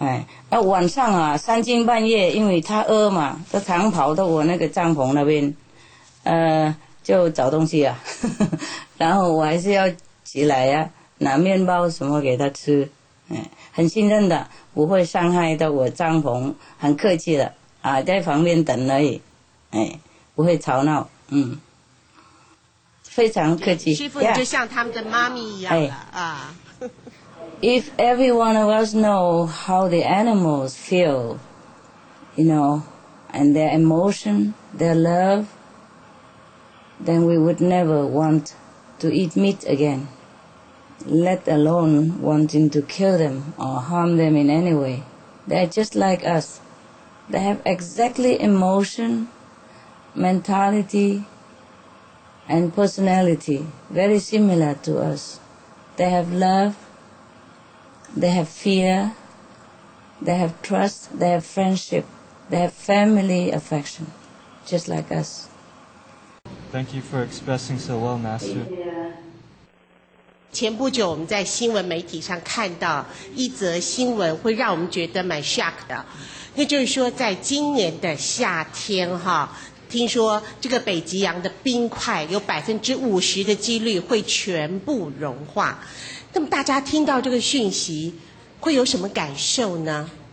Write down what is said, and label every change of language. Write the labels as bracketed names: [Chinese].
[Chinese] 哎，那晚上啊三更半夜，因为他饿嘛，他常跑到我那个帐篷那边就找东西啊，然后我还是要起来啊，拿面包什么给他吃，哎，很信任的，不会伤害到我帐篷，很客气的啊，在旁边等而已，哎，不会吵闹，非常客气。师父你就像他们的妈咪一样了、 [English] If every one of us know how the animals feel, you know, and their emotion, their love, then we would never want to eat meat again. Let alone wanting to kill them or harm them in any way. They're just like us. They have exactly emotion, mentality, and personality very similar to us. They have love, they have fear, they have trust, they have friendship, they have family affection, just like us. Thank you for expressing so well, Master. Yeah. [Chinese] 前不久我们在新闻媒体上看到一则新闻，会让我们觉得蛮 shock 的，那就是说在今年的夏天哈，听说这个北极洋的冰块有50%的几率会全部融化，那么大家听到这个讯息会有什么感受呢？